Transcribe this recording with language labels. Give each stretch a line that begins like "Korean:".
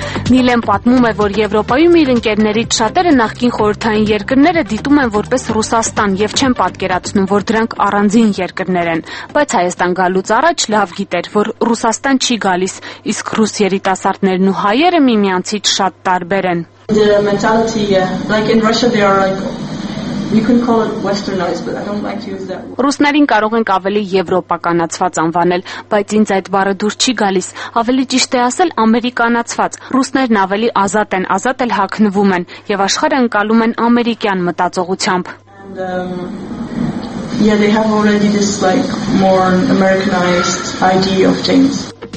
Armenian: Նիլեն պատմում է, որ Եվրոպայում իր ընկերներից շատերը նախկին խորհրդային երկրները դիտում են որպես Ռուսաստան և չեն պատկերացնում, որ դրանք առանձին երկրներ են, բայց Հայաստան գալուց առաջ լավ գիտեր, որ Ռուսաստան չի գալիս, իսկ ռուս երիտասարդներն ու հայերը միմյանցից շատ տարբեր են։
English: The mentality, yeah. Like in Russia, they are like, you can call it westernized, but I don't like to use that word.
Armenian: Ռուսներին կարող ենք ավելի եվրոպականացված անվանել, բայց ինձ այդ բառը դուր չի գալիս, ավելի ճիշտ է ասել ամերիկանացված, ռուսներն ավելի ազատ են, ազատ էլ հագնվում են, և աշխարհը ընկալում են ամերիկյան մտածողությամբ.
English: Yeah, they have already this like more Americanized idea of things.